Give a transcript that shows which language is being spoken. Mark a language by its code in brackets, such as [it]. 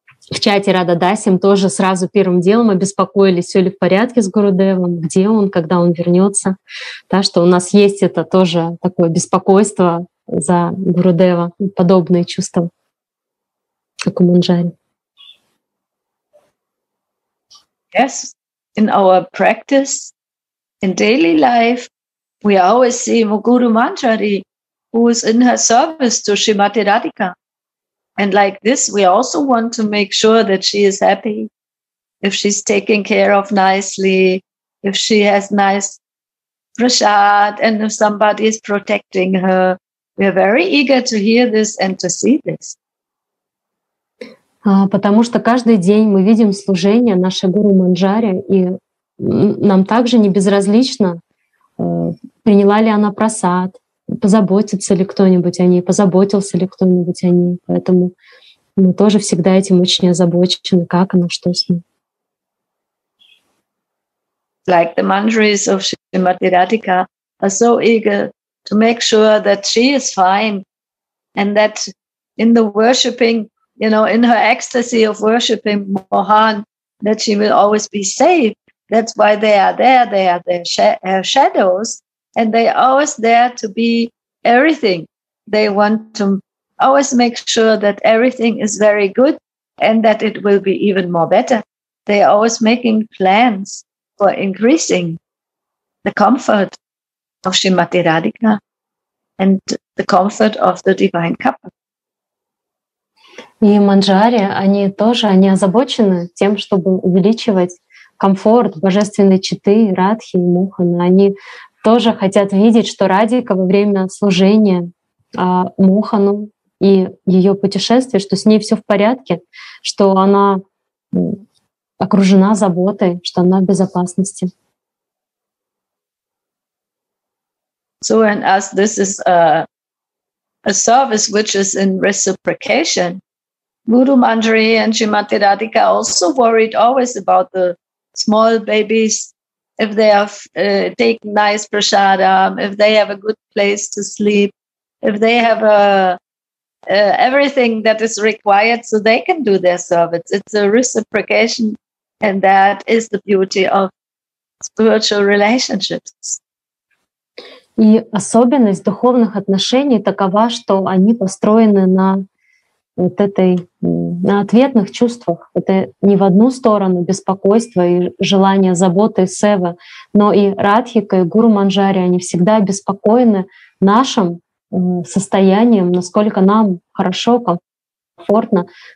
[ru] В чате Рада Дасим тоже сразу первым делом обеспокоились, все ли в порядке с Гурудевом, где он, когда он вернется. Да, что у нас есть это тоже такое беспокойство за Гурудева, подобные чувства, как у Манджари. [en] Yes, in our practice, in daily life, we always see Guru Manjari, who is in her service to Srimati Radhika. And like this, we also want to make sure that she is happy, if she's taken care of nicely, if she has nice prasad, and if somebody is protecting her. We are very eager to hear this and to see this. [ru] Потому что каждый день мы видим служение нашей Гуру Манджари, и нам также не безразлично, приняла ли она прасад. Позаботится ли кто-нибудь о ней, позаботился ли кто-нибудь о ней. Поэтому мы тоже всегда этим очень озабочены, как оно, что с ним. [en] Like the mantras of Srimati Radhika are so eager to make sure that she is fine and that in the worshipping, you know, in her ecstasy of worshipping Mohan, that she will always be safe. That's why they are there, they are their shadows. And they always there to be everything. They want to always make sure that everything is very good and that it will be even more better. They are always making plans for increasing the comfort of Srimati Radhika and the comfort of the divine couple. [ru] И Манджари, они тоже, они озабочены тем, чтобы увеличивать комфорт божественной четы, Радхи и Мохана. Они тоже хотят видеть, что Радика во время служения Мохану и ее путешествия, что с ней все в порядке, что она окружена заботой, что она в безопасности. [en] So and as this is a service which is in reciprocation, Guru Manjari and Srimati Radhika also worried always about the small babies. If they have taken nice prasadam, if they have a good place to sleep, if they have everything that is required so they can do their service. It's a reciprocation, and that is the beauty of spiritual relationships. [ru] И особенность духовных отношений такова, что они построены на вот этой на ответных чувствах. Это не в одну сторону беспокойство и желание заботы Севы, но и Радхика, и Гуру Манджари, они всегда обеспокоены нашим состоянием, насколько нам хорошо, комфортно.